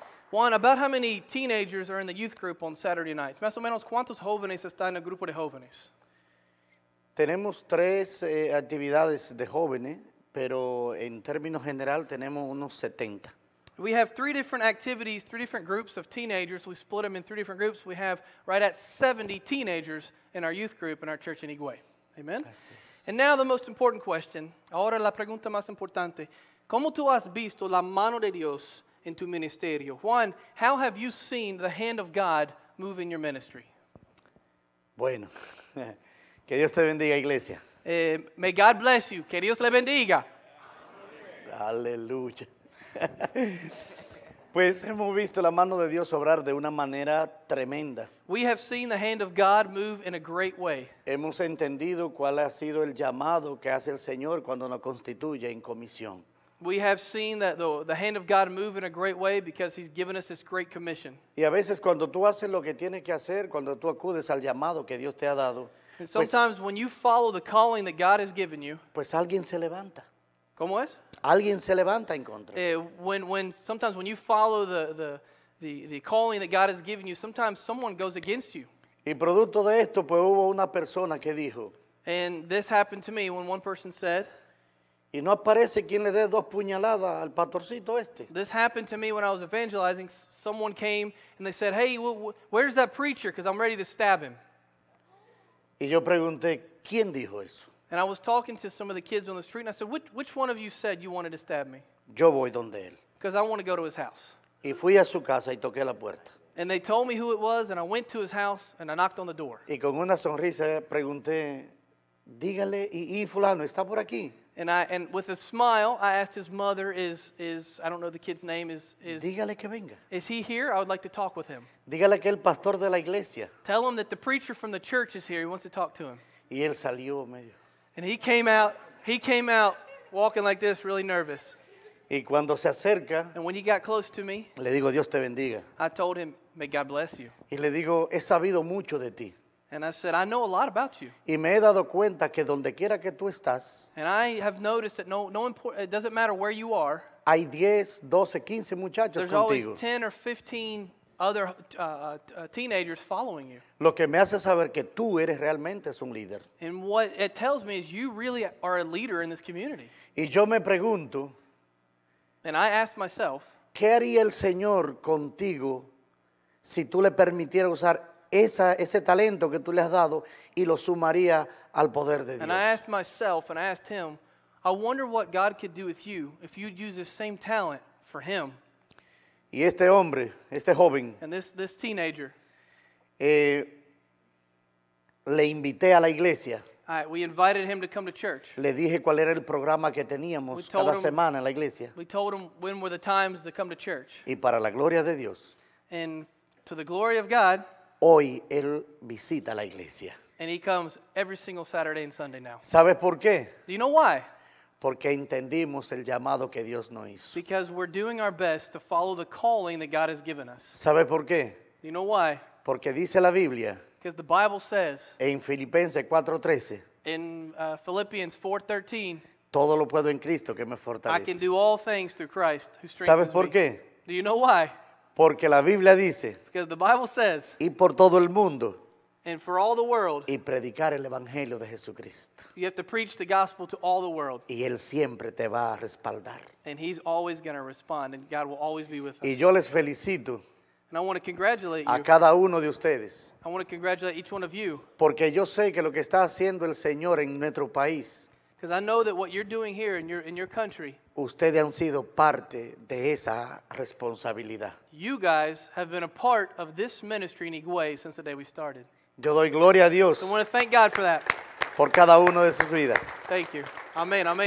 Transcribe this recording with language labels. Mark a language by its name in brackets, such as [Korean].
[English] Juan, about how many teenagers are in the youth group on Saturday nights? [Spanish] Más o menos, ¿cuántos jóvenes están en el grupo de jóvenes? Tenemos tres actividades de jóvenes, pero en términos general tenemos unos 70. [English] We have three different activities, three different groups of teenagers. We split them in three different groups. We have right at 70 teenagers in our youth group in our church in Higüey. Amen. And now the most important question. [Spanish] Ahora la pregunta más importante. ¿Cómo tú has visto la mano de Dios en tu ministerio? [English] Juan, how have you seen the hand of God move in your ministry? [Spanish] Bueno. Que Dios te bendiga, iglesia. [English] May God bless you. [Spanish] Que Dios le bendiga. Aleluya. Pues hemos visto la mano de Dios obrar de una manera tremenda. [English] We have seen the hand of God move in a great way. [Spanish] Hemos entendido cuál ha sido el llamado que hace el Señor cuando nos constituye en comisión. [English] We have seen that the hand of God move in a great way because he's given us this great commission. [Spanish] Y a veces cuando tú haces lo que tienes que hacer, cuando tú acudes al llamado que Dios te ha dado. [English] And sometimes [Spanish] pues, [English] when you follow the calling that God has given you. [Spanish] Pues alguien se levanta. ¿Cómo es? Alguien se levanta en contra. [English] When you follow the calling that God has given you, sometimes someone goes against you. [Spanish] Y producto de esto, pues hubo una persona que dijo. [English] And this happened to me when one person said. [Spanish] Y no aparece quien le dé dos puñaladas al pastorcito este. [English] This happened to me when I was evangelizing. Someone came and they said, hey, where's that preacher? Because I'm ready to stab him. [Spanish] Y yo pregunté, ¿quién dijo eso? [English] And I was talking to some of the kids on the street, and I said, which one of you said you wanted to stab me? [Spanish] Yo voy donde él. [English] Because I want to go to his house. [Spanish] Y fui a su casa y toqué la puerta. [English] And they told me who it was, and I went to his house, and I knocked on the door. [Spanish] Y con una sonrisa pregunté, dígale, y fulano, ¿está por aquí? [English] And with a smile, I asked his mother, is I don't know the kid's name, is [Spanish] dígale que venga. [English] Is he here? I would like to talk with him. [Spanish] Dígale que el pastor de la iglesia. [English] Tell him that the preacher from the church is here. He wants to talk to him. [Spanish] Y él salió medio. [English] And he came out walking like this, really nervous. [Spanish] Y cuando se acerca, [English] and when he got close to me, [Spanish] le digo, Dios te bendiga. [English] I told him, may God bless you. [Spanish] Y le digo, he sabido mucho de ti. [English] And I said, I know a lot about you. [Spanish] Y me he dado cuenta que donde quiera que tú estás, [English] and I have noticed that it doesn't matter where you are. [Spanish] Hay 10, 12, 15 muchachos contigo. [English] There's always 10 or 15 other teenagers following you. [Spanish] Lo que me hace saber que tú eres realmente es un líder. [English] And what it tells me is you really are a leader in this community. [Spanish] Y yo me pregunto, [English] and I asked myself, [Spanish] ¿qué haría el Señor contigo si tú le permitieras usar ese talento que tú le has dado y lo sumaría al poder de Dios? [English] And I asked myself and I asked him, I wonder what God could do with you if you'd use the same talent for him. [Spanish] Y este hombre, este joven, [English] and this teenager, [Spanish] le invité a la iglesia. [English] We invited him to come to church. [Spanish] Le dije cuál era el programa que teníamos cada semana en la iglesia. [English] We told him when were the times to come to church. [Spanish] Y para la gloria de Dios. [English] And to the glory of God. [Spanish] Hoy él visita la iglesia. [English] And he comes every single Saturday and Sunday now. [Spanish] ¿Sabes por qué? [English] Do you know why? [Spanish] Porque entendimos el llamado que Dios nos hizo. [English] Because we're doing our best to follow the calling that God has given us. [Spanish] ¿Sabes por qué? [English] Do you know why? [Spanish] Porque dice la Biblia. [English] Because the Bible says. [Spanish] En Filipenses 4:13. [English] In Philippians 4:13. [Spanish] Todo lo puedo en Cristo que me fortalece. [English] I can do all things through Christ who strengthens me. [Spanish] ¿Sabes por qué? [English] Do you know why? [Spanish] Porque la Biblia dice, [English] because the Bible says, [Spanish] y por todo el mundo, [English] and for all the world, [Spanish] y predicar el Evangelio de Jesucristo. [English] You have to preach the gospel to all the world. [Spanish] Y él siempre te va a respaldar. [English] And he's always going to respond, and God will always be with us. [Spanish] Y yo les felicito, [English] and I want to congratulate you, [Spanish] a cada uno de ustedes. [English] I want to congratulate each one of you. [Spanish] Porque yo sé que lo que está haciendo el Señor en nuestro país, [English] because I know that what you're doing here in your country, [Spanish] ustedes han sido parte de esa responsabilidad. [English] You guys have been a part of this ministry in Higüey since the day we started. [Spanish] Yo doy gloria a Dios. [English] So I want to thank God for that. [Spanish] Por cada uno de sus vidas. [English] Thank you. Amen, amen.